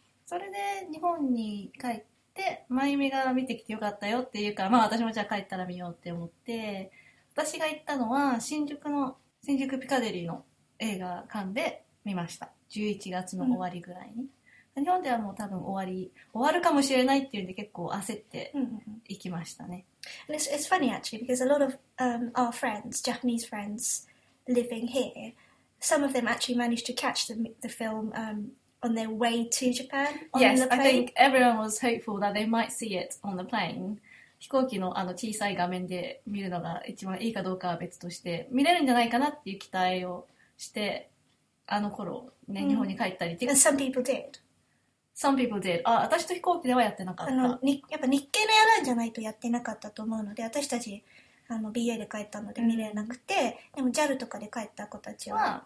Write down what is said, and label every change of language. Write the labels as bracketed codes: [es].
[ja] それで日本に帰って真由美が見てきてよかったよっていうか、まあ私もじゃあ帰ったら見ようって思って、私が行ったのは新宿ピカデリーの映画館で見ました。 11月の終わりぐらいに、うん、日本ではもう多分終わるかもしれないっていうんで結構焦って行きましたね。 [en] It's funny actually because a lot of、our friends, Japanese friends living here, some of them actually managed to catch the film、on their way to Japan on Yes, the plane. I think everyone was hopeful that they might see it on the plane。 [ja] 飛行機の小さい画面で見るのが一番いいかどうかは別として、見れるんじゃないかなっていう期待をして、あの頃ね、日本に帰ったり、 [en] mm. Some people did. Some people did. [ja] あ、私と飛行機ではやってなかった。やっぱ日系のエアラインじゃないとやってなかったと思うので、私たち BA で帰ったので見れなくて、でも JAL とかで帰った子たちは、